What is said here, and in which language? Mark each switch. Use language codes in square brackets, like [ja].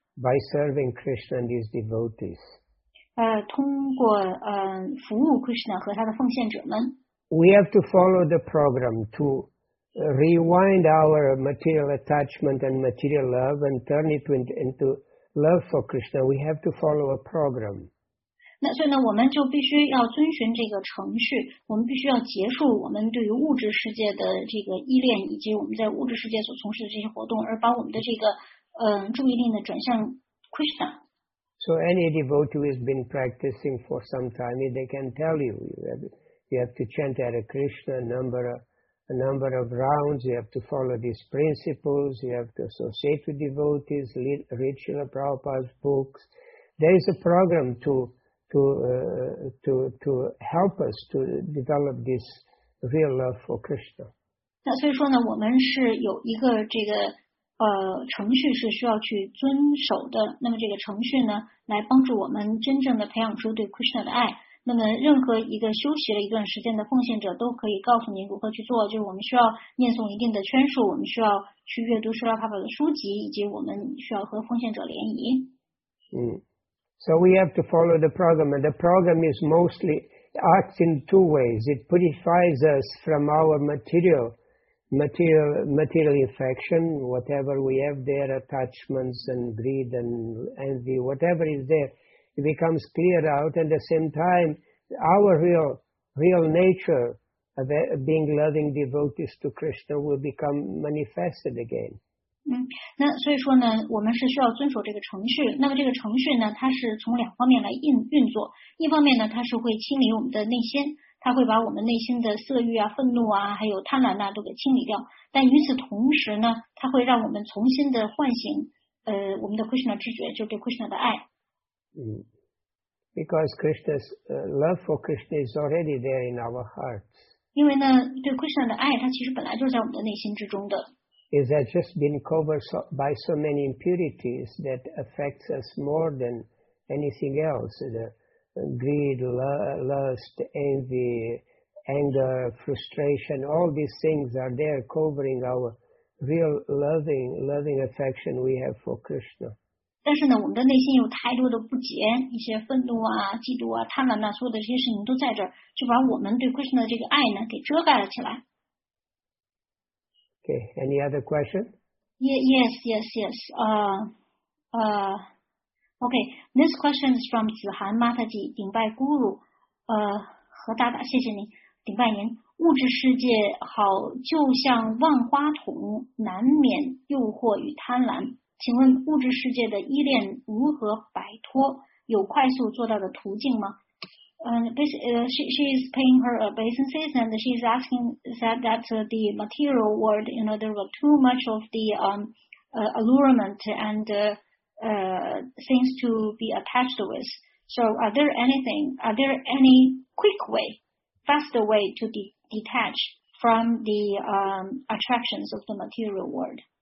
[en] By serving Krishna and his devotees. [zh] 通过服务 Krishna 和他的奉献者们。 [en] We have to follow the program to rewind our material attachment and material love and turn it into love for Krishna. We have to follow a program. [zh] 那所以呢，我们就必须要遵循这个程序，我们必须要结束我们对于物质世界的这个依恋，以及我们在物质世界所从事的这些活动，而把我们的这个注意力呢转向 Krishna。 [en] So any devotee who has been practicing for some time, they can tell you, you have to chant Hare Krishna a number of rounds, you have to follow these principles, you have to associate with devotees, read Srila Prabhupada's books. There is a program to help us to develop this real love for Krishna. [zh] 那所以说呢，我们是有一个这个程序是需要去遵守的。那么这个程序呢，来帮助我们真正的培养出对 Krishna 的爱。那么任何一个休息了一段时间的奉献者都可以告诉您如何去做。就是我们需要念诵一定的圈数，我们需要去阅读Srila Prabhupada的书籍，以及我们需要和奉献者联谊。 [en] So we have to follow the program, and the program is mostly acts in two ways. It purifies us from our material material affection, whatever we have there, attachments and greed and envy, whatever is there, it becomes cleared out. And at the same time, our real nature of being loving devotees to Krishna will become manifested again. [zh] 嗯，那所以说呢，我们是需要遵守这个程序。那么这个程序呢，它是从两方面来运作。一方面呢，它是会清理我们的内心，它会把我们内心的色欲啊、愤怒啊、还有贪婪啊都给清理掉。但与此同时呢，它会让我们重新的唤醒我们的 Krishna 知觉，就是对 Krishna 的爱。 [en] 嗯 ，Because Krishna's love for Krishna is already there in our hearts. [zh] 因为呢，对 Krishna 的爱，它其实本来就是在我们的内心之中的。 [en] Is that just been covered by so many impurities that affects us more than anything else? The greed, lust, envy, anger, frustration, all these things are there covering our real loving affection we have for Krishna. [zh] 但是呢，我们的内心有太多的不洁，一些愤怒啊、嫉妒啊、贪婪啊，所有的这些事情都在这儿，就把我们对 Krishna 的这个爱呢给遮盖了起来。 [en] Okay, any other question? Yes. Okay, this question is from Zihan Mataji, [zh] 顶拜 [en] Guru. [zh] 何大大，谢谢您，顶拜您。物质世界好，就像万花筒，难免诱惑与贪婪。请问物质世界的依恋如何摆脱？有快速做到的途径吗？ [en] She is paying her obeisances and she is asking that the material world, you know, there were too much of the allurement and things to be attached with. So are there any quick way, faster way to detach from the attractions of the material world?